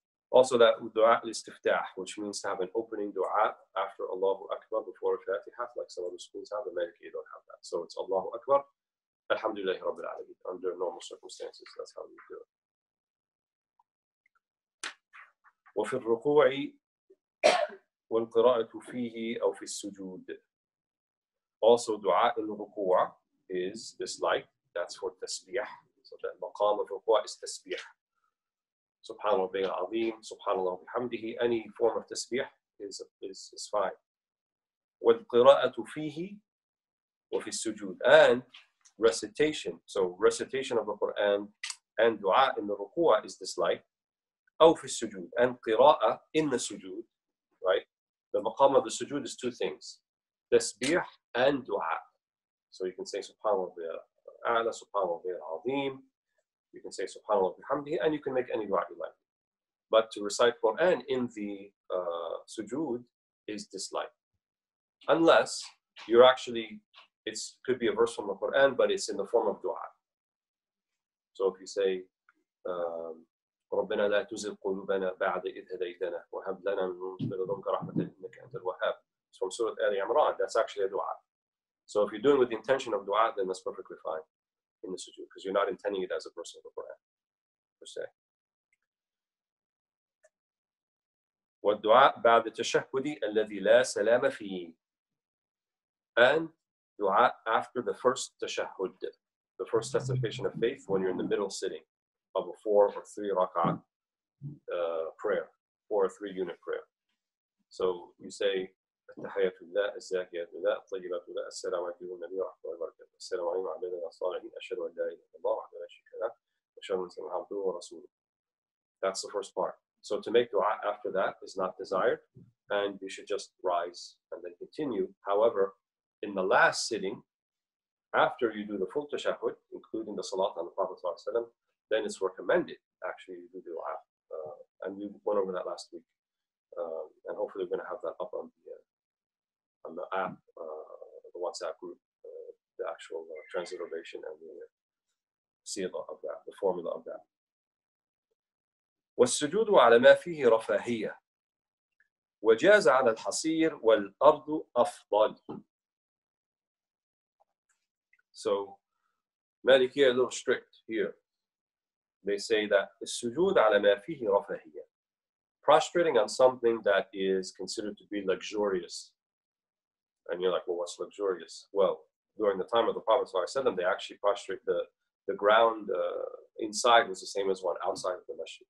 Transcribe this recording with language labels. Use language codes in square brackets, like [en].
[en] Also, that du'a al-istiftah, which means to have an opening du'a after Allahu Akbar before Fatiha, like some other schools have, but you don't have that. So it's Allahu Akbar, Alhamdulillah Rabbil Alameen. Under normal circumstances, that's how you do it. [ar] وفي الركوع والقراءة فيه أو في السجود. [en] Also, du'a al-ruku'a is this like, that's for tasbih. So the maqam of ruku'a is tasbih. Subhanallah bin Azim, Subhanallah bihamdihi, any form of tasbih is fine. [ar] Wal qira'atu fihi wa fi sujood, [en] and recitation. So recitation of the Quran and dua in the ruku' is disliked. [ar] Aw fi sujood, [en] and qira'ah in the sujood, right? The maqam of the sujood is two things, tasbih and dua. So you can say Subhanallah bi a'la, Subhanallah bi Azim. You can say Subhanallah bihamdihi, and you can make any du'a you like. But to recite Quran in the sujood is disliked. Unless you're actually, it could be a verse from the Quran, but it's in the form of du'a. So if you say, [ar] رَبَّنَا لَا تُزِلْ قُلُوبَنَا بَعْدَ إِذْ هَدَيْتَنَا وَهَبْ لَنَا مِنْ لَدُنْكَ رَحْمَةً إِنَّكَ أَنْتَ الْوَهَّابُ. [en] It's from Surah Ali Imran, that's actually a du'a. So if you're doing with the intention of du'a, then that's perfectly fine in the sujood, because you're not intending it as a verse of the Quran, per se. [ar] وَالدُّعَاء بَعْدَ تَشَهُّدِ الَّذِي لَا سَلَامَ فِيهِ, [en] and du'a after the first tashahud, the first testification of faith, when you're in the middle sitting of a four or three rak'ah prayer, four or three unit prayer. So you say, [ar] التحيات لله الزاكية لله الطيبات لله السلام عليكم النبي ورحمة الله وبركاته السلام عليكم عبادة الصالحين أشهد أن لا إله إلا الله وحده لا شريك له وأشهد أن محمدا عبده ورسوله. [en] That's the first part. So to make dua after that is not desired, and you should just rise and then continue. However, in the last sitting, after you do the full tashahud, including the salat on the Prophet [ar] صلى الله عليه وسلم, [en] then it's recommended actually to do dua. And we went over that last week. And hopefully we're going to have that up on the app, the WhatsApp group, the actual transliteration and the seal of that, the formula of that. [ar] والسجود على ما فيه رفاهية وجاز على الحصير والأرض أفضل. [en] So Maliki are a little strict here. They say that [ar] السجود على ما فيه رفاهية, [en] prostrating on something that is considered to be luxurious. And you're like, well, what's luxurious? Well, during the time of the Prophet Sallallahu Alaihi Wasallam, they actually prostrate, the ground inside was the same as one outside of the masjid.